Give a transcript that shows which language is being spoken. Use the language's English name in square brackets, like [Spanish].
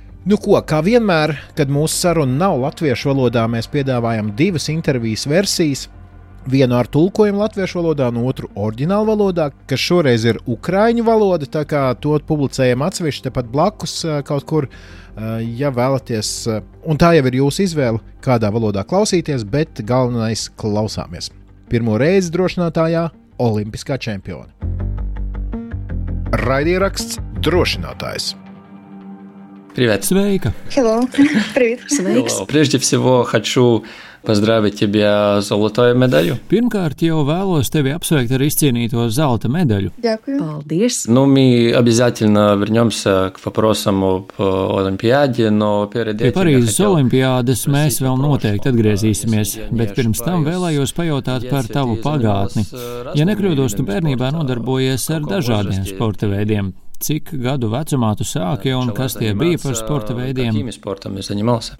[Latvian] Nu ko, kā vienmēr, kad mūsu saruna nav latviešu valodā, mēs piedāvājam divas intervijas versijas, vienu ar tulkojumu latviešu valodā un otru oriģinālu valodā, kas šoreiz ir ukraiņu valoda, tā kā to publicējam atsevišķi tepat blakus kaut kur, ja vēlaties, un tā jau ir jūsu izvēle, kādā valodā klausīties, bet galvenais klausāmies. pirmo reizi drošinātājā olimpiskā čempiona. Raidieraksts drošinātājs. [Russian] Привет. [Latvian] Sveika. [English] Hello. [Russian] Привет. [Latvian] Sveiks. [English] Hello. [Russian] Прежде всего хочу поздравить тебя с золотой медалью. [Latvian] Pirmkārt jau vēlos tevi apsveikt ar izcīnīto zelta medaļu. [Ukrainian] Дякую. [Latvian] Paldies. [Russian] Ну, мы обязательно вернёмся к вопросам об Олимпиаде, но перед этим Парижской олимпиадой мы [Latvian] vēl noteikti atgriezīsimies, bet pirms tam vēlējos pajautāt par tavu pagātni. Ja nekļūdos, tu bērnībā nodarbojies ar dažādiem sporta veidiem. Cik gadu vecumā tu sāki un kas tie bija par sporta veidiem? Kādiem sportam es zaņemalsa?